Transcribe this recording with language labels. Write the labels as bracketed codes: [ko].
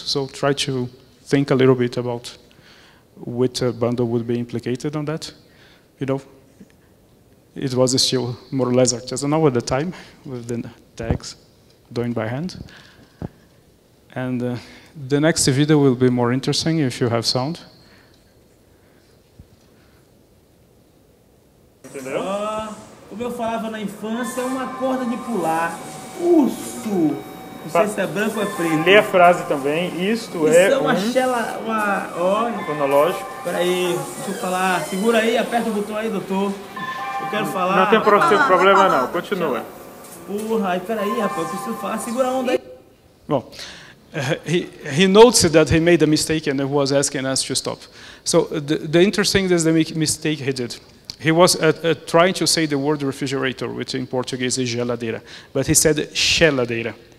[en] So try to think a little bit about which bundle would be implicated on that. You know, it was still more or less just now at the time with the tags doing by hand. And the next video will be more interesting if you have sound. [pt] Entendeu? Como eu falava na infância, é uma corda de pular. Urso! Não sei se é branco ou é preto. Lê a frase também. Isto é. Isso é uma chela. Uma. Ó. Cronológico. Peraí, deixa eu falar. Segura aí, aperta o botão aí, doutor. Eu quero falar. Não tem problema, não. Continua. Porra, peraí, rapaz, eu preciso falar. Segura a onda aí. Bom. [en] He noticed that he made a mistake and was asking us to stop. So the interesting thing is the mistake he did. He was trying to say the word refrigerator, which in Portuguese is geladeira, but he said geladeira.